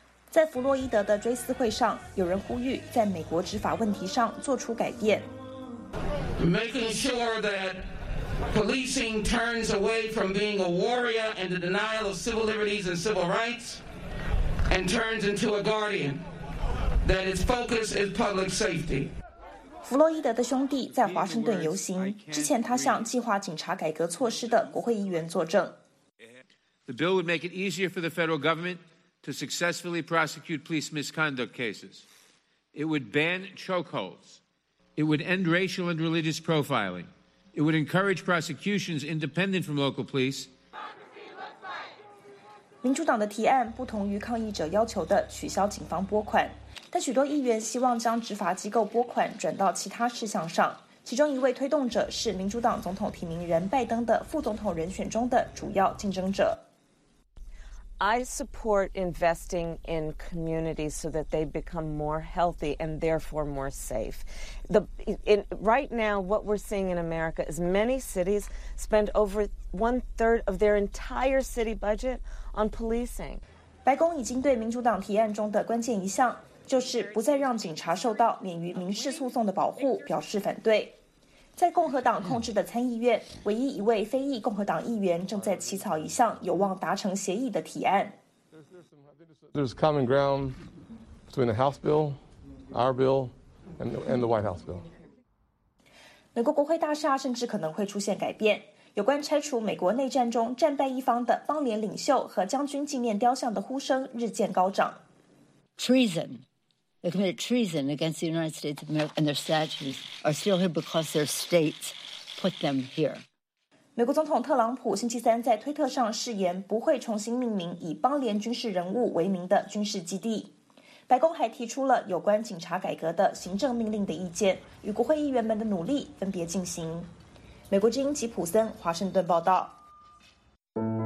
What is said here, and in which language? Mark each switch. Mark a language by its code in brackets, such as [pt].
[zh] 在弗洛伊德的追思会上，有人呼吁在美国执法问题上做出改变。 [en] Making sure that policing turns away from being a warrior and the denial of civil liberties and civil rights, and turns into a guardian, that its focus is public safety. [zh] 弗洛伊德的兄弟在华盛顿游行之前，他向计划警察改革措施的国会议员作证。 [en] The bill would make it easier for the federal government to successfully prosecute police misconduct cases. It would ban chokeholds. It would end racial and religious profiling. It would encourage prosecutions independent from local police. [zh] 民主党的提案不同于抗议者要求的取消警方拨款。但许多议员希望将执法机构拨款转到其他事项上，其中一位推动者是民主党总统提名人拜登的副总统人选中的主要竞争者。 [en] I support investing in communities so that they become more healthy and therefore more safe. Right now, what we're seeing in America is many cities spend over one third of their entire city budget on policing. [zh] 白宫已经对民主党提案中的关键一项。就是不再让警察受到免于民事诉讼的保护表示反对。在共和党控制的参议院，唯一一位非裔共和党议员正在起草一项有望达成协议的提案。 [en] There's common ground between the House bill, our bill, and the White House bill. [zh] 美国国会大厦甚至可能会出现改变。有关拆除美国内战中战败一方的邦联领袖和将军纪念雕像的呼声日渐高涨。 [en] Treason. They committed treason against the United States of America, and their statues are still here because their states put them here. [zh] 美国总统特朗普星期三在推特上誓言不会重新命名以邦联军事人物为名的军事基地。白宫还提出了有关警察改革的行政命令的意见，与国会议员们的努力分别进行。美国之音吉普森，华盛顿报道。